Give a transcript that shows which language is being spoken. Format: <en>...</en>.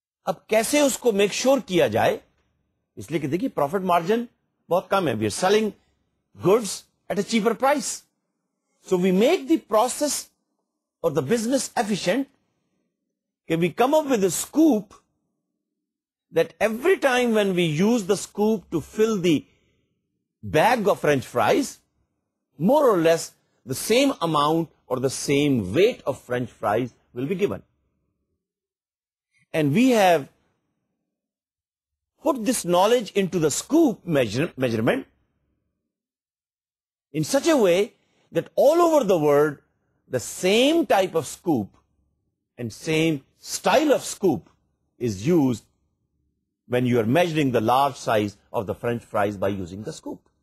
<ur>اب کیسے اس کو میک شور کیا جائے؟ اس لیے کہ دیکھیے پروفٹ مارجن بہت کم ہے.</ur> <en>We are selling goods at a cheaper price. So we make the process اور the business efficient کہ we come up with a scoop that every time when we use the scoop to fill the bag of French fries more or less the same amount اور the same weight of French fries will be given. And we have put this knowledge into the scoop measurement in such a way that all over the world, the same type of scoop and same style of scoop is used when you are measuring the large size of the French fries by using the scoop.</en>